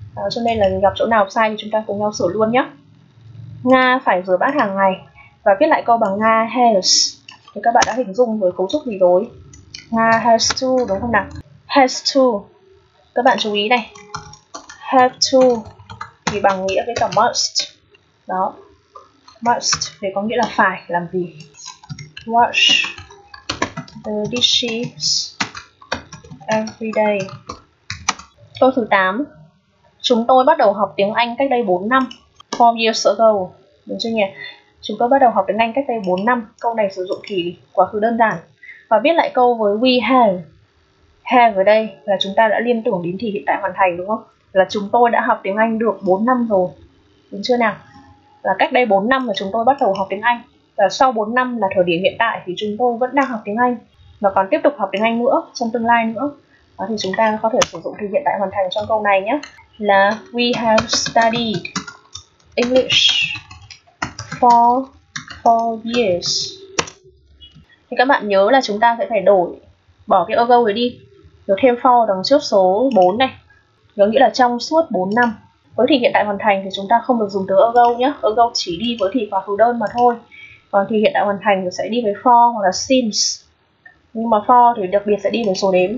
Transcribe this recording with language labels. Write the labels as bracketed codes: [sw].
[vi] Cho nên là gặp chỗ nào sai thì chúng ta cùng nhau sửa luôn nhé. Nga phải rửa bát hàng ngày, và viết lại câu bằng [en] Nga has. [vi] Thì các bạn đã hình dung với cấu trúc gì rồi? [en] Nga has to, [vi] đúng không nào? Has to. Các bạn chú ý này, have to thì bằng nghĩa với cả must. Đó, Must thì có nghĩa là phải làm gì. [en] Wash the dishes every day. [vi] Câu thứ 8. Chúng tôi bắt đầu học tiếng Anh cách đây 4 năm. [en] 4 years ago. [vi] Đúng chưa nhỉ? Chúng tôi bắt đầu học tiếng Anh cách đây 4 năm. Câu này sử dụng thì quá khứ đơn giản. Và viết lại câu với we have. Have ở đây là chúng ta đã liên tưởng đến thì hiện tại hoàn thành đúng không? Là chúng tôi đã học tiếng Anh được 4 năm rồi. Đúng chưa nào? Là cách đây 4 năm là chúng tôi bắt đầu học tiếng Anh. Và sau 4 năm là thời điểm hiện tại thì chúng tôi vẫn đang học tiếng Anh. Và còn tiếp tục học tiếng Anh nữa, trong tương lai nữa. Đó thì chúng ta có thể sử dụng thì hiện tại hoàn thành trong câu này nhé. [en] Là we have studied English for 4 years. [vi] Thì các bạn nhớ là chúng ta sẽ phải đổi, bỏ cái ago ấy đi. Rồi thêm for đằng trước số 4 này. Có nghĩa là trong suốt 4 năm. Với thì hiện tại hoàn thành thì chúng ta không được dùng từ ago nhé. Ago chỉ đi với thì quá khứ đơn mà thôi. Còn thì hiện tại hoàn thành thì sẽ đi với for hoặc là since. Nhưng mà for thì đặc biệt sẽ đi với số đếm.